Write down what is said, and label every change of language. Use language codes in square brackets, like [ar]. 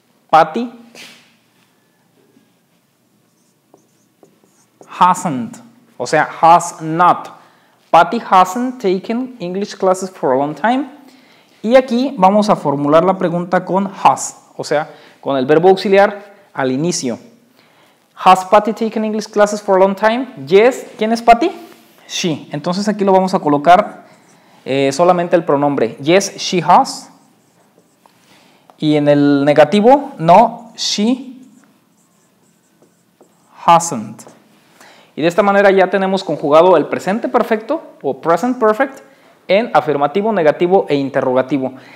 [en] Patty hasn't, [es] o sea, [en] has not. Patty hasn't taken English classes for a long time. [es] Y aquí vamos a formular la pregunta con has, o sea, con el verbo auxiliar al inicio. [en] Has Patty taken English classes for a long time? [es] Yes. ¿Quién es Patty? She. Entonces aquí lo vamos a colocar solamente el pronombre. [en] Yes, she has. [es] Y en el negativo, no, [en] she hasn't. [es] Y de esta manera ya tenemos conjugado el presente perfecto o present perfect en afirmativo, negativo e interrogativo.